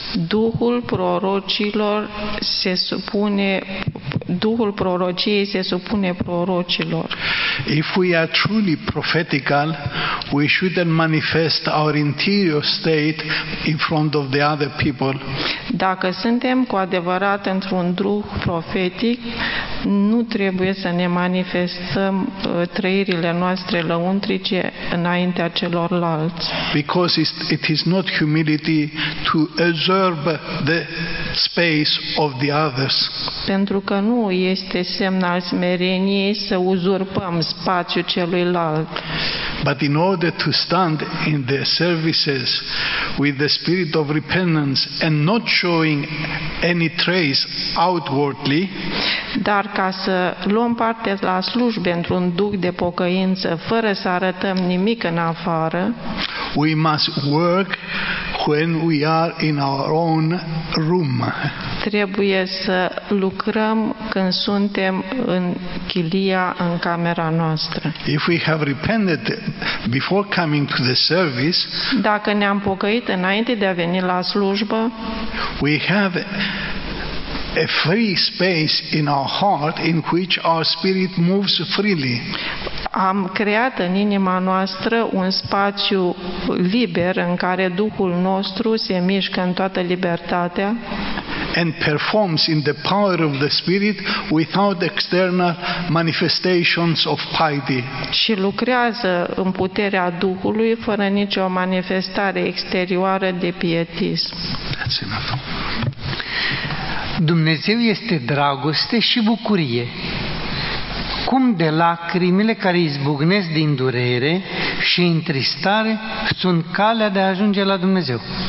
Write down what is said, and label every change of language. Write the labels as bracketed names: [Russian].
[Romanian] Duhul prorocilor se supune, duhul prorociei se supune prorocilor. [English] If we are truly prophetical, we shouldn't manifest our interior state in front of the other people. [Romanian] Dacă suntem cu adevărat într-un duh profetic, nu trebuie să ne manifestăm trăirile noastre lăuntrice înaintea celorlalți. [English] Because it is not humility to usurp the space of the others. [Romanian] Pentru că nu este semn al smereniei să uzurpăm spațiul celuilalt. [English] But in order to stand in the services with the spirit of repentance and not showing any trace outwardly, [Romanian] dar ca să luăm parte la slujbe într-un duc de pocăință, fără să arătăm nimic în afară, [English] we must work when we are in our own room. [Romanian] Trebuie să lucrăm când suntem în chilia, în camera noastră. [English] If we have repented before coming to the service, [Romanian] dacă ne-am pocăit înainte de a veni la slujbă, [English] we have a free space in our heart in which our spirit moves freely. [Romanian] Am creat în inima noastră un spațiu liber în care Duhul nostru se mișcă în toată libertatea. [English] And performs in the power of the Spirit without external manifestations of piety. [Romanian] Și lucrează în puterea Duhului fără nicio manifestare exterioară de pietism. [English] That's enough. [Romanian] Dumnezeu este dragoste și bucurie. Cum de lacrimile care izbucnesc din durere și întristare sunt calea de a ajunge la Dumnezeu?